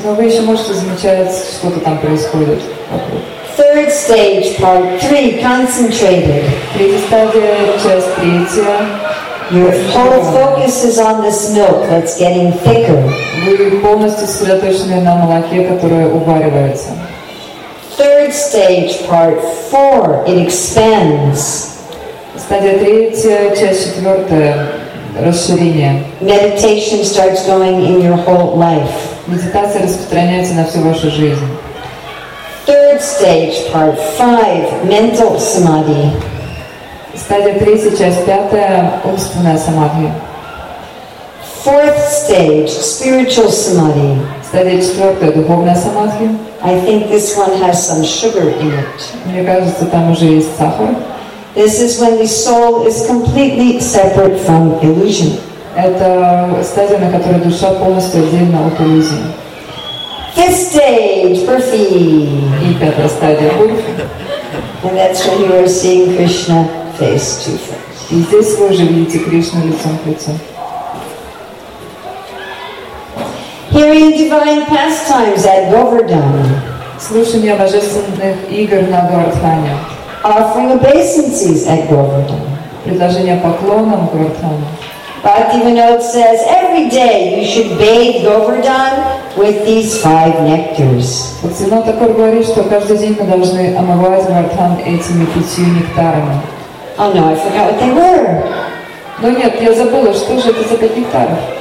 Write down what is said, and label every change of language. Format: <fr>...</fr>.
<ru>Но вы еще можете замечать, что-то там происходит.</ru> <en>Third stage, part three, concentrated.</en> <ru>Третья стадия, часть третья,</ru> <en>Your whole focus is on this milk that's getting thicker.</en> <ru>Вы полностью сосредоточены на молоке, которое уваривается.</ru> <en>Third stage, part four, it expands.</en> <ru>Стадия третья, часть четвертая, расширение.</ru> <en>Meditation starts going in your whole life.</en> <ru>Медитация распространяется на всю вашу жизнь.</ru> <en>Third stage, part five, mental samadhi.</en> <ru>Стадия третья, часть пятая, умственная самадхи.</ru> <en>Fourth stage, spiritual samadhi.</en> <ru>Стадия четвертая, духовная самадхи.</ru> <en>I think this one has some sugar in it.</en> <ru>Мне кажется, там уже есть сахар.</ru> <en>This is when the soul is completely separate from illusion.</en> <ru>Это стадия, на которой душа полностью отделена от иллюзии.</ru> <en>Fifth stage, Purfi.</en> <ru>И пятая стадия, Purfi.</ru> <en>And that's when you are seeing Krishna face to face.</en> <ru>И здесь вы уже видите Кришну лицом к лицу.</ru> <en>Hearing divine pastimes at Govardhana.</en> <ru>Слушание божественных игр на Говардхане.</ru> <en>Offering obeisances at Govardhana.</en> <ru>Предложение поклонов в Говардхане.</ru> <en>Bhaktivinod says, every day you should bathe Govardhan with these five nectars.</en> <ru>Bhaktivinod такой говорит, что каждый день мы должны омывать Говардхан этими пятью нектарами.</ru> <en>Oh no, I forgot what they were.</en> <ru>Но нет, я забыла, что же это за пять нектаров.</ru>